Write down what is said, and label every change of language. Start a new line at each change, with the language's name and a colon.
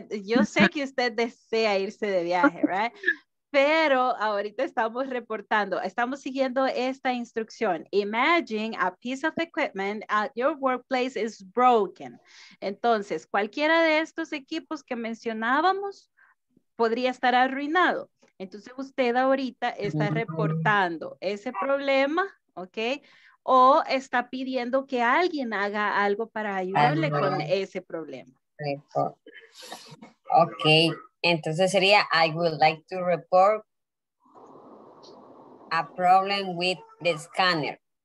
Spanish: Yo sé que usted desea irse de viaje, right? Pero ahorita estamos reportando, estamos siguiendo esta instrucción.
English: Imagine a piece of equipment at your workplace is broken.
Spanish: Entonces, cualquiera de estos equipos que mencionábamos podría estar arruinado. Entonces usted ahorita está reportando ese problema, ¿ok? O está pidiendo que alguien haga algo para ayudarle con ese problema.
English: Ok,
Spanish: entonces sería,
English: I would like to report a problem with the scanner.